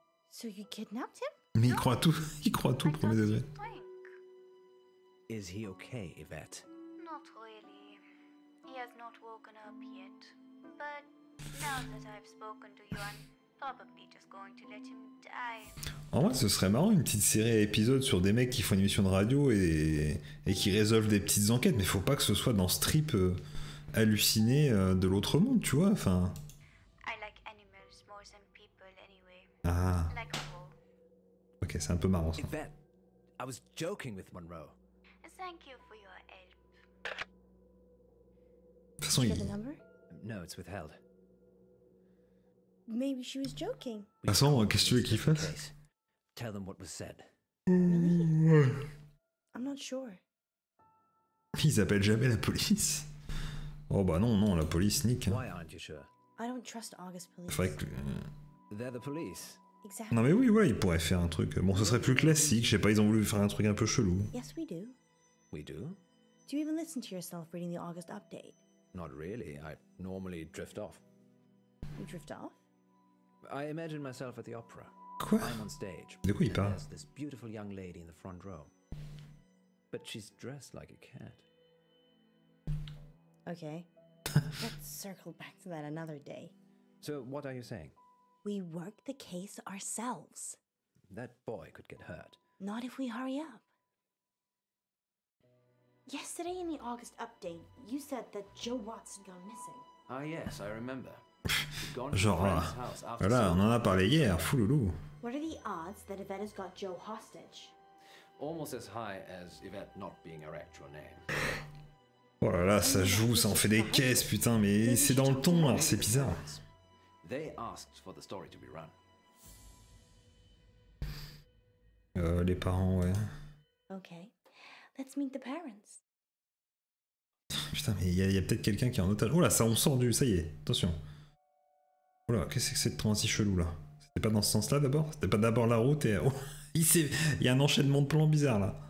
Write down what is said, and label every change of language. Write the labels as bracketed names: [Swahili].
[English] So you kidnapped him? [French] Mais il croit tout. Il croit tout, premier degré. [English] Is he okay, Yvette? Not really. He has not woken up yet, but... Now that I've spoken to you, I'm probably just going to let him die. [French] En vrai, ce serait marrant, une petite série à épisodes sur des mecs qui font une émission de radio et qui résolvent des petites enquêtes, mais faut pas que ce soit dans ce trip halluciné de l'autre monde, tu vois, enfin... [English] I like animals more than people anyway. Ah. Like a wolf. [French] Ok, c'est un peu marrant ça. [English] Yvette, I was joking with Monroe. Thank you for your help. [French] De toute façon, il... [English] No, it's withheld. Maybe she was joking. [French] Attends, qu'est-ce que tu veux qu'il fasse? [English] Tell them what was said. I'm not sure. [French] Ils appellent jamais la police. Oh bah non, la police nique. [English] Why aren't you sure? I don't trust August police. [French] Faudrait que... [English] They're the police. Exactly. [French] Non mais oui, ouais, ils pourraient faire un truc. Bon, ce serait plus classique. Je sais pas, ils ont voulu faire un truc un peu chelou. [English] Yes, we do. We do? Do you even listen to yourself reading the August update? Not really. I normally drift off. You drift off? I imagine myself at the opera. [French] Quoi? [English] I'm on stage. [French] De quoi il parle? [English] There's this beautiful young lady in the front row. But she's dressed like a cat. Okay. Let's circle back to that another day. So, what are you saying? We work the case ourselves. That boy could get hurt. Not if we hurry up. Yesterday in the August update, you said that Joe Watson got missing. Ah yes, I remember. [French] Genre, voilà, on en a parlé hier, fou loulou. [English] What are the odds that Yvette has got Joe hostage? almost as high as Yvette not being her actual name. [French] Oh là là, ça joue, ça en fait des caisses, putain, mais c'est dans le ton, alors c'est bizarre. [English] They asked for the story to be run. [French] Les parents, ouais. [English] Okay. Let's meet the parents. [French] Putain, mais il y a peut-être quelqu'un qui est en otage. Oh là, ça, on sort du... Ça y est, attention. Oh là, qu'est-ce que c'est que cette transi chelou, là? C'était pas dans ce sens-là, d'abord? C'était pas d'abord la route et... Oh, il y a un enchaînement de plans bizarre, là.